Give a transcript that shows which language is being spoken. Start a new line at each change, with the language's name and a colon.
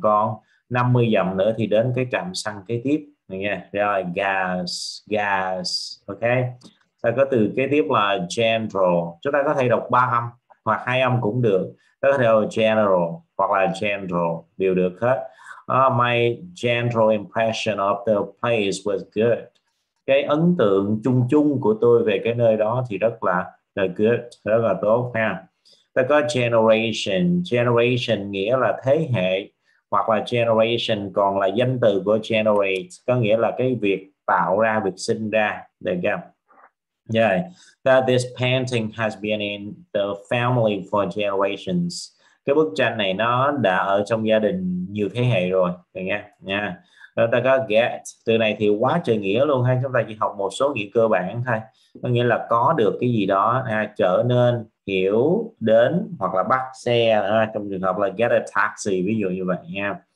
Vietnamese: Còn 50 dặm nữa thì đến cái trạm xăng kế tiếp. Nghe. Rồi, gas, gas. Ok. Sau có từ kế tiếp là general. Chúng ta có thể đọc ba âm hoặc hai âm cũng được. Ta có thể đọc general hoặc là general. Đều được hết.
English: My general impression of the place was good.
Vietnamese: Cái ấn tượng chung chung của tôi về cái nơi đó thì rất là good, rất là tốt ha. Ta có generation, generation nghĩa là thế hệ, hoặc là generation còn là danh từ của generate, có nghĩa là cái việc tạo ra, việc sinh ra, được không?
English: Yeah. This painting has been in the family for generations.
Vietnamese: Cái bức tranh này nó đã ở trong gia đình nhiều thế hệ rồi, được nha. Rồi ta có get, từ này thì quá trời nghĩa luôn ha, chúng ta chỉ học một số nghĩa cơ bản thôi, có nghĩa là có được cái gì đó ha, trở nên, hiểu, đến hoặc là bắt xe ha, trong trường hợp là get a taxi ví dụ như vậy nha.